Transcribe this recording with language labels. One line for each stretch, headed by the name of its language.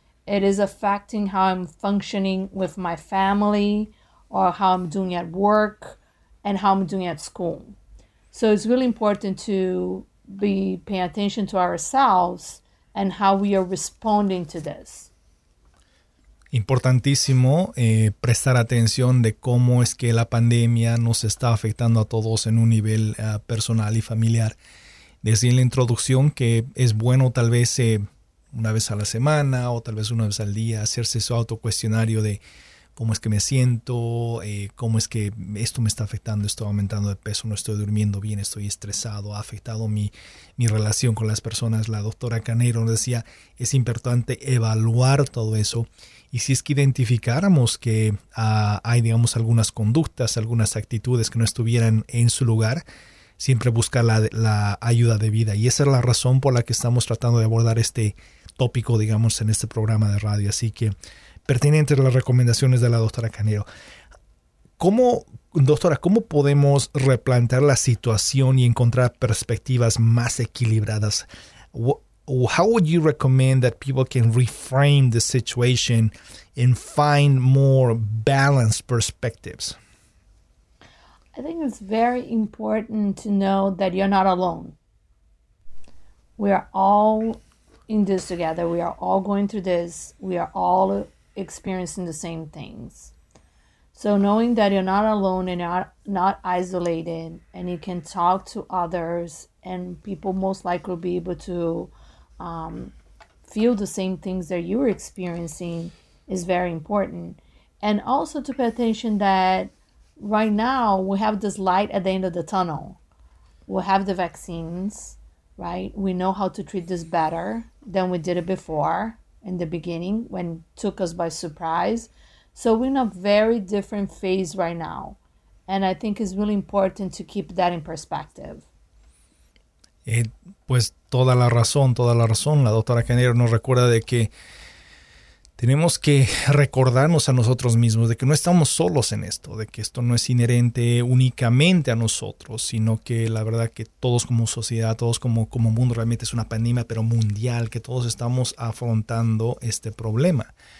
English: It is affecting how I'm functioning with my family or how I'm doing at work and how I'm doing at school. So it's really important to be paying attention to ourselves and how we are responding to this.
Spanish: Importantísimo prestar atención de cómo es que la pandemia nos está afectando a todos en un nivel personal y familiar. Decía en la introducción que es bueno tal vez una vez a la semana o tal vez una vez al día, hacerse su autocuestionario de cómo es que me siento, cómo es que esto me está afectando, estoy aumentando de peso, no estoy durmiendo bien, estoy estresado, ha afectado mi relación con las personas. La doctora Caneiro nos decía, es importante evaluar todo eso. Y si es que identificáramos que hay, digamos, algunas conductas, algunas actitudes que no estuvieran en su lugar, siempre buscar la ayuda debida. Y esa es la razón por la que estamos tratando de abordar este tópico, digamos, en este programa de radio. Así que pertinentes las recomendaciones de la doctora Caneiro. ¿Cómo, doctora, cómo podemos replantear la situación y encontrar perspectivas más equilibradas?
English: how would you recommend that people can reframe the situation and find more balanced perspectives? I think it's very important to know that you're not alone. We are all in this together. We are all going through this. We are all experiencing the same things. So knowing that you're not alone and not isolated, and you can talk to others, and people most likely will be able to feel the same things that you're experiencing, is very important. And also to pay attention that right now we have this light at the end of the tunnel. We have the vaccines, right? We know how to treat this better than we did it before in the beginning when it took us by surprise. So we're in a very different phase right now. And I think it's really important to keep that in perspective.
Spanish: Pues toda la razón. La doctora Canero nos recuerda de que tenemos que recordarnos a nosotros mismos de que no estamos solos en esto, de que esto no es inherente únicamente a nosotros, sino que la verdad que todos como sociedad, todos como mundo, realmente es una pandemia, pero mundial, que todos estamos afrontando este problema.